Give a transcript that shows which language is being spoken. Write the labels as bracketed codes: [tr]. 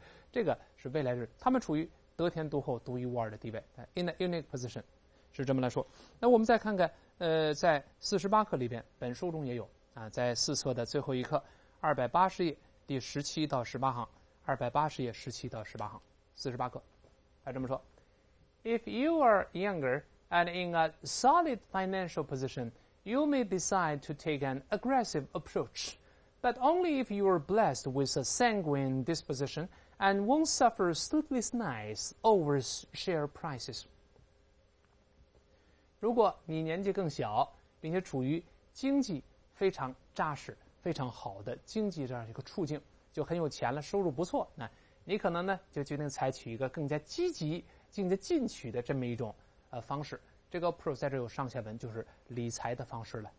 [zh] 这个是未来日，他们处于得天独厚、独一无二的地位 ， [en] in a unique position， [zh] 是这么来说。那我们再看看，在48课里边，本书中也有在四册的最后一课280页第17-18行，280页17-18行，48课，他这么说。 [en] If you are younger and in a solid financial position, you may decide to take an aggressive approach, but only if you are blessed with a sanguine disposition and won't suffer sleepless nights over share prices. [zh] 如果你年纪更小，并且处于经济非常扎实、非常好的经济这样一个处境，就很有钱了，收入不错，那你可能呢就决定采取一个更加积极进行进取的这么一种方式。这个 pro 在这有上下文，就是理财的方式了。